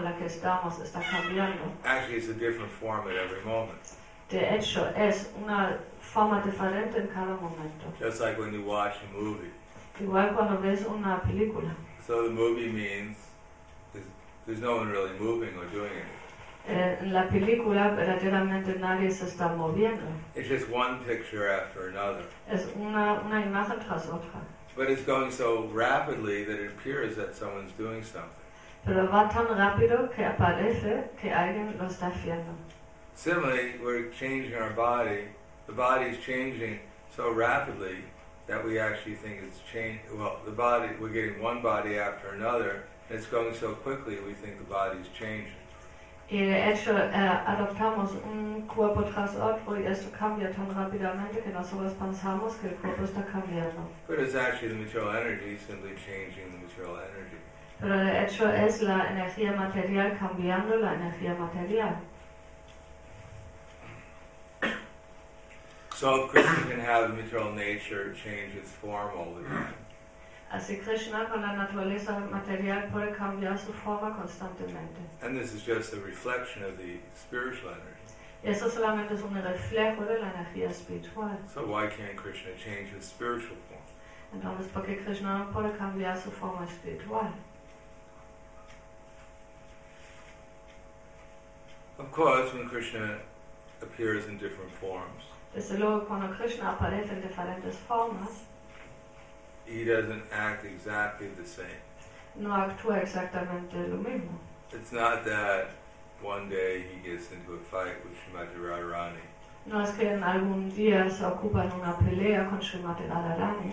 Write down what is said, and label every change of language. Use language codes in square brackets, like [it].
[en] Actually, it's a different form at every moment. [es] De hecho, es una forma diferente en cada momento. [en] Just like when you watch a movie. [es] Igual cuando ves una película. [en] So the movie means there's no one really moving or doing anything. [es] En la película verdaderamente nadie se está moviendo. [en] It's just one picture after another. [es] Es una imagen tras otra. [en] But it's going so rapidly that it appears that someone's doing something. [es] Pero va tan rápido que aparece que alguien lo está haciendo. [en] Similarly, we're changing our body. The body is changing so rapidly that we actually think it's changed. Well, the body, we're getting one body after another, and it's going so quickly we think the body is changing. [es] Y de hecho, adoptamos un cuerpo tras otro y esto cambia tan rápidamente que nosotros pensamos que el cuerpo está cambiando. [en] But it's actually the material energy simply changing the material energy. [es] Pero de hecho es la energía material cambiando la energía material. [en] So if Krishna can have the material nature change its form all the time. [es] Así Krishna con la naturaleza material puede cambiar su forma constantemente. [en] And this is just a reflection of the spiritual energy. [es] Y eso solamente es un reflejo de la energía espiritual. [en] So why can't Krishna change his spiritual form? [es] Entonces, ¿por qué Krishna no puede cambiar su forma espiritual? [en] Of course, when Krishna appears in different forms. [es] Desde luego, cuando Krishna aparece en diferentes formas. [en] He doesn't act exactly the same. [es] No actúa exactamente lo mismo. [en] It's not that one day he gets into a fight with Srimati Radharani. [es] No es que en algún día se ocupa en una pelea con Srimati Radharani.